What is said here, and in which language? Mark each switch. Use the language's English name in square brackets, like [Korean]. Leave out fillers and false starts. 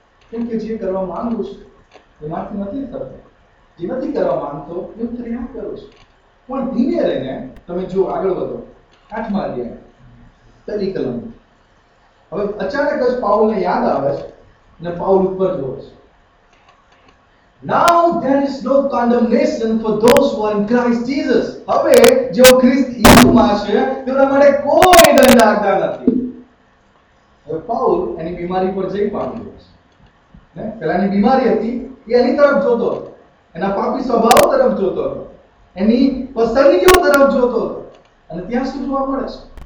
[Gujarati] કેમ કે જે કરવા માંગુ છું એ માથે નથી થતો, જે નથી કરવા માંગતો એ ત્યાં કરું છું. પણ ધીમે રહીને તમે જો આગળ વધો, આઠમા અધ્યાય પહેલી કલમ. હવે અચાનક જ પાઉલને યાદ આવે છે અને પાઉલ ઉપર જોવે છે. [English] Now there is no condemnation for those who are in Christ Jesus. [Gujarati] હવે જેઓ ખ્રિસ્ત યેશુમાં છે તેમના માટે કોઈ દંડાજ્ઞા નથી. હવે પાઉલ એની બીમારી પર જઈ પામ્યો છે. ને પહેલાની બીમારી હતી એ એની તરફ જોતો હતો, એના પાપી સ્વભાવ તરફ જોતો હતો, એની પસંદગીઓ તરફ જોતો હતો, અને ત્યાં શું જોવા મળે છે?